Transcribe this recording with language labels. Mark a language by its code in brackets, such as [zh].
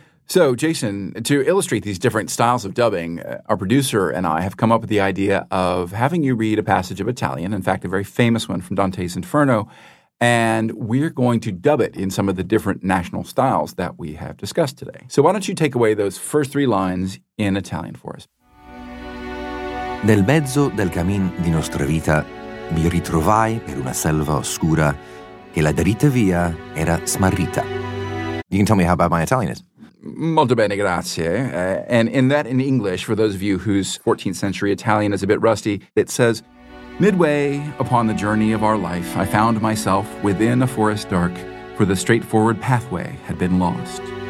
[en] So, Jason, to illustrate these different styles of dubbing, our producer and I have come up with the idea of having you read a passage of Italian, in fact, a very famous one from Dante's Inferno, and we're going to dub it in some of the different national styles that we have discussed today. So why don't you take away those first three lines in Italian for us? [it] Nel mezzo del cammin di nostra vita mi ritrovai per una selva oscura che la dritta via era smarrita. [en] You can tell me how bad my Italian is. [it] Molto bene, grazie. [en] And in that, in English, for those of you whose 14th century Italian is a bit rusty, it says, midway upon the journey of our life, I found myself within a forest dark, for the straightforward pathway had been lost.